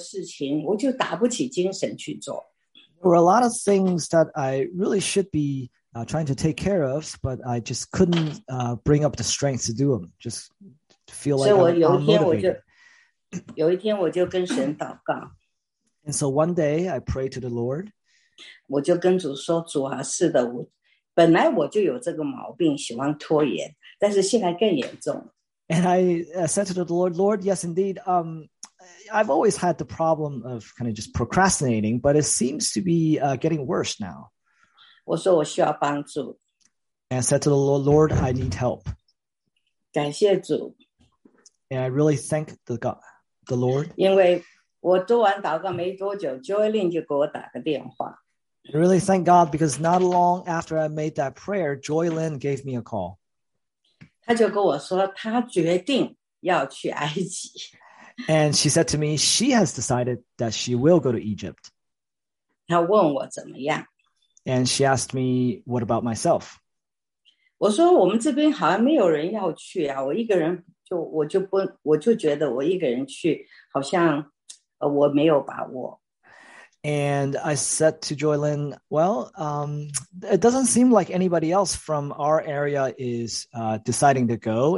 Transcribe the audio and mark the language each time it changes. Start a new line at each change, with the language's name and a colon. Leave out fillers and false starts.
Chinese: 那么很多该做的事情我就打不起精神去做。
English: There were a lot of things that I really should be trying to take care of, but I just couldn't bring up the strength to do them. Just feel like I'm unmotivated. And so one day I prayed to the Lord.
Chinese: 我就跟主说，主啊，是的，我本来我就有这个毛病，喜欢拖延，但是现在更严重。And
English: I said to the Lord, Lord, yes, indeed, I've always had the problem of kind of just procrastinating, but it seems to be getting worse now.
Chinese: 我说我需要帮助。And
English: I said to the Lord, Lord, I need help.
Chinese: 感谢主。And
English: I really thank the God, the Lord.
Chinese: 因为我做完祷告没多久， Joyline 就给我打个电话。
English: I really thank God because not long after I made that prayer, Joy Lynn gave me a call.
Chinese: 她就跟我说她决定要去埃及。And
English: she said to me, she has decided that she will go to Egypt.
Chinese: 她问我怎么样。And
English: she asked me, what about myself?
Chinese: 我说我们这边好像没有人要去啊，我一个人就我就不，我就觉得我一个人去好像我没有把握。
English: And I said to Joy Lynn, well, it doesn't seem like anybody else from our area is deciding to go.